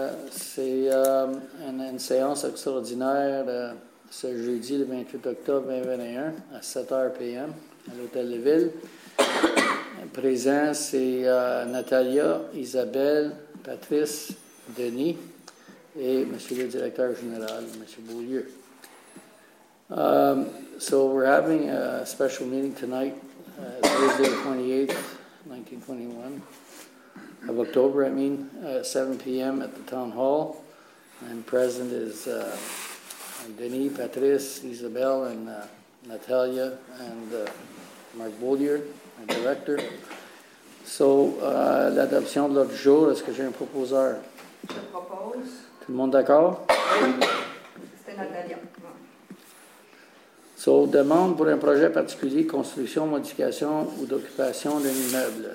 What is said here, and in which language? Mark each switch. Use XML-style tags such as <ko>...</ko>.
<fr>C'est une séance extraordinaire ce jeudi le 28 octobre 2021 à 7 h p.m. à l'Hôtel de Ville. Présent, c'est Natalia, Isabelle, Patrice, Denis et M. le directeur général, M. Beaulieu.</fr> <en>So we're having a special meeting tonight, Thursday the 28th, 1921 of October, I mean, at 7 p.m. at the Town Hall. And present is Denis, Patrice, Isabelle, and Natalia, and Marc Beaulieu, my director.</en> <fr>So, l'adoption de l'ordre du jour, est-ce que j'ai un proposeur? Je propose. Tout le monde d'accord? C'est Natalia. So, demande pour un projet particulier, construction, modification ou d'occupation d'un immeuble.</fr>